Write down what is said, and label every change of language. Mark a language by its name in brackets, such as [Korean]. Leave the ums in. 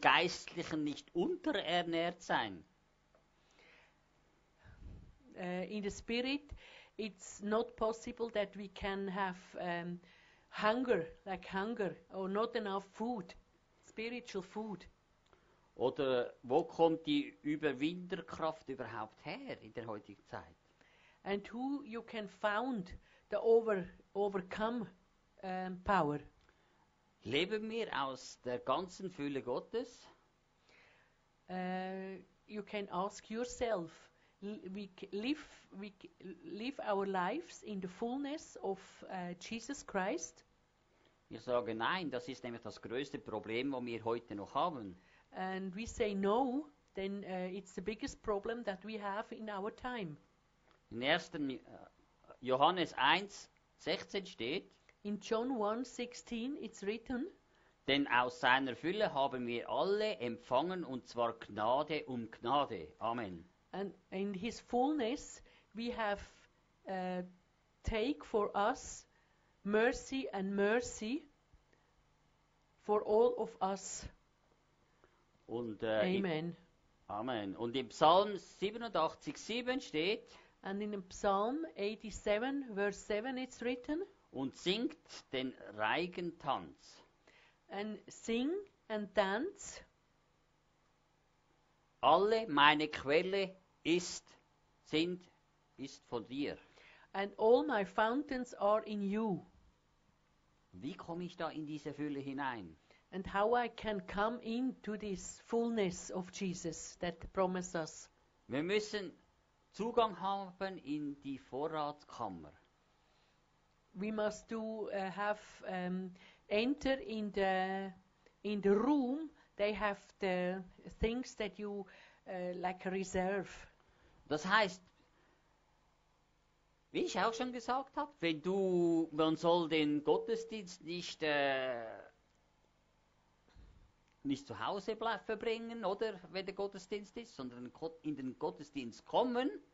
[German] Geistlichen nicht unterernährt sein. [English] Uh, in der spirit, it's not possible that we can have um, hunger, like hunger, or not enough food, spiritual food. [German] Oder wo kommt die Überwinderkraft überhaupt her in der heutigen Zeit? [English] And who you can found the over, overcome um, power? [German] Leben wir aus der ganzen Fülle Gottes? [English] Uh, you can ask yourself. We live, we live, our lives in the fullness of uh, Jesus Christ. [German] Wir sagen nein, das ist nämlich das größte Problem, das wir heute noch haben. [English] And we say no, then uh, it's the biggest problem that we have in our time. [German] In 1. Johannes 1, 16 steht. [English] In John 1:16 it's written, [German] Then, aus seiner Fülle haben wir alle empfangen und zwar Gnade um Gnade. Amen. [English] And in his fullness we have uh, take for us mercy and mercy for all of us. [German] Und, uh, amen. In, amen. Und im Psalm 87:7 steht [English] And in Psalm 87:7, it's written [German] und singt den Reigen Tanz. [English] And sing and dance. [German] Alle meine Quelle ist, sind, ist von dir. [English] And all my fountains are in you. [German] Wie komme ich da in diese Fülle hinein? [English] And how I can come into this fullness of Jesus that promised us. [German] Wir müssen Zugang haben in die Vorratskammer. [English] Wir must do uh, have, um, enter in the in the room. They have the things that you uh, like reserve. [German] Das heißt, wie ich auch schon gesagt habe, wenn du man soll den Gottesdienst nicht äh, nicht zu Hause verbringen, oder wenn der Gottesdienst ist, sondern in den Gottesdienst kommen.